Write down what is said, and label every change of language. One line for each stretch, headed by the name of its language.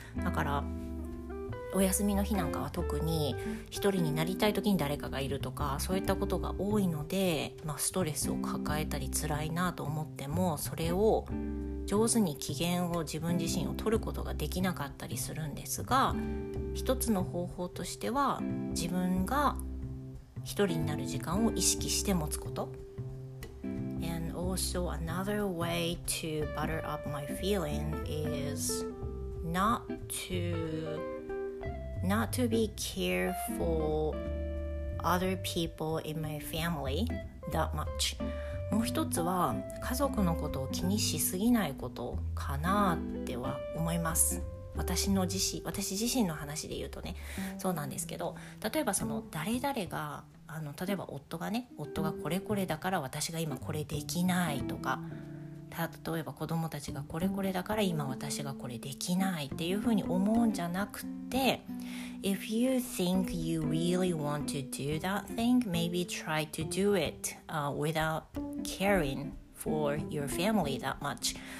Japanese: だからお休みの日なんかは特に一人になりたい時に誰かがいるとか、そういったことが多いので、まあ、ストレスを抱えたり辛いなと思っても、それを上手に機嫌を自分自身を取ることができなかったりするんですが、一つの方法としては自分が一人になる時間を意識して持つこと。
English: And also another way to butter up my feeling is not to be careful other people in my family that much.
Japanese: もう一つは家族のことを気にしすぎないことかなっては思います。私自身の話で言うとね、そうなんですけど、例えばその誰々が例えば夫がね、夫がこれこれだから私が今これできないとか、例えば子供たちがこれこれだから今私がこれできないっていうふうに思うんじゃなくて、
English: If you think you really want to do that thing, maybe try to do it without caring for your family that much.